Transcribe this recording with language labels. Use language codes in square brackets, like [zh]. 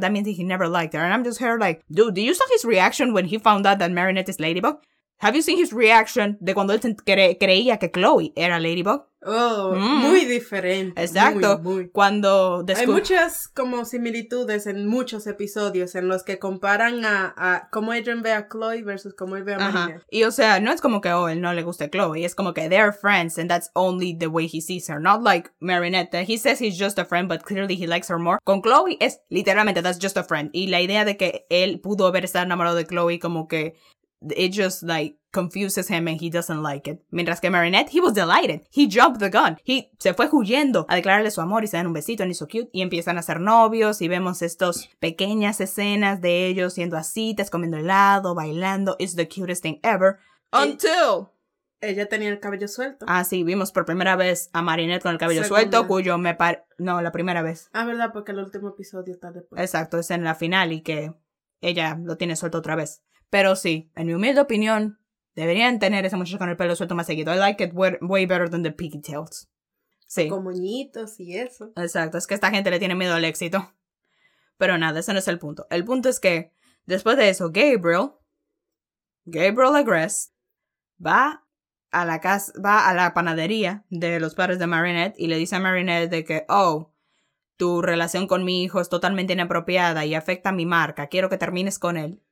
[en] That means he never liked her. And I'm just here like, dude, did you see his reaction when he found out that Marinette is Ladybug? Have you seen his reaction [es] de cuando él creía que Chloe era Ladybug? Muy diferente. Exacto. Muy. Cuando hay muchas como similitudes en muchos episodios en los que comparan a cómo Adrian ve a Chloe versus cómo él ve a Marina. Y o sea, no es como que, él no le guste Chloe. Es como que [en] they're friends and that's only the way he sees her. Not like Marinette. He says he's just a friend, but clearly he likes her more. [es] Con Chloe es literalmente [en] that's just a friend. [es] Y la idea de que él pudo haber estado enamorado de Chloe como que [en] it just like confuses him and he doesn't like it. [es] Mientras que Marinette, [en] he was delighted. He jumped the gun. He [es] se fue huyendo a declararle su amor y se dan un besito [en] and he's so cute. [es] Y empiezan a ser novios y vemos estas pequeñas escenas de ellos yendo a citas, comiendo helado, bailando. [en] It's the cutest thing ever. Until... [es] Ella tenía el cabello suelto. Ah, sí, vimos por primera vez a Marinette con el cabello suelto, cuyo me par... No, la primera vez. Ah, verdad, porque el último episodio está después. Exacto, es en la final y que ella lo tiene suelto otra vez. Pero sí, en mi humilde opinión, deberían tener esa muchacha con el pelo suelto más seguido. [en] I like it way better than the pigtails. [es] Sí. Con moñitos y eso. Exacto, es que esta gente le tiene miedo al éxito. Pero nada, ese no es el punto. El punto es que, después de eso, Gabriel Agres, va a la panadería de los padres de Marinette y le dice a Marinette de que, tu relación con mi hijo es totalmente inapropiada y afecta a mi marca. Quiero que termines con él.